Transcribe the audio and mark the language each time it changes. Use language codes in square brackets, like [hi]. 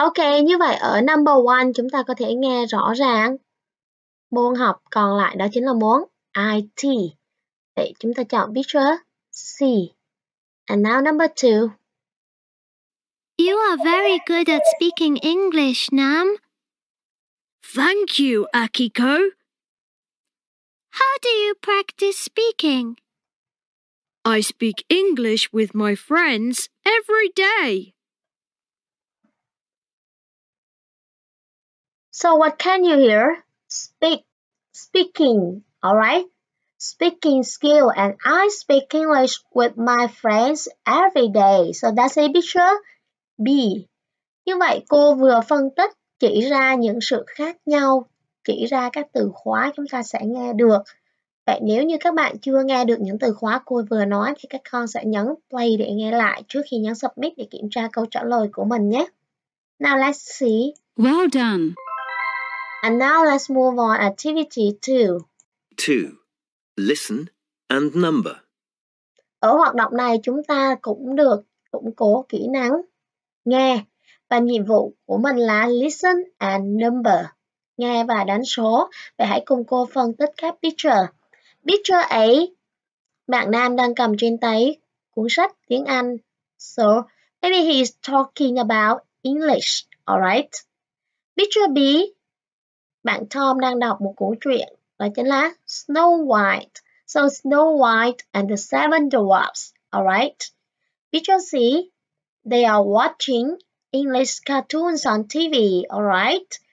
[vi] Ok, như vậy ở number one chúng ta có thể nghe rõ ràng. Môn học còn lại đó chính là môn IT. Vậy chúng ta chọn picture C. [en] And now number two. You are very good at speaking English, Nam. Thank you, Akiko. How do you practice speaking? I speak English with my friends every day. So what can you hear? Speaking, all right? Speaking skill, and I speak English with my friends every day. So that's a picture B. [vi] Như vậy cô vừa phân tích chỉ ra những sự khác nhau, chỉ ra các từ khóa chúng ta sẽ nghe được. Vậy nếu như các bạn chưa nghe được những từ khóa cô vừa nói thì các con sẽ nhấn play để nghe lại trước khi nhấn submit để kiểm tra câu trả lời của mình nhé. [en] Now let's see. Well done. And now let's move on activity 2. 2. Listen and number. [vi] Ở hoạt động này chúng ta cũng được củng cố kỹ năng nghe. Và nhiệm vụ của mình là [en] listen and number. [vi] Nghe và đánh số. Vậy hãy cùng cô phân tích các picture. Picture A, bạn Nam đang cầm trên tay cuốn sách tiếng Anh. [en] So, maybe he is talking about English, alright? [vi] Picture B, bạn Tom đang đọc một cuốn truyện, đó chính là Snow White. [en] So, Snow White and the Seven Dwarfs, alright? Picture C, they are watching English cartoons on TV, alright?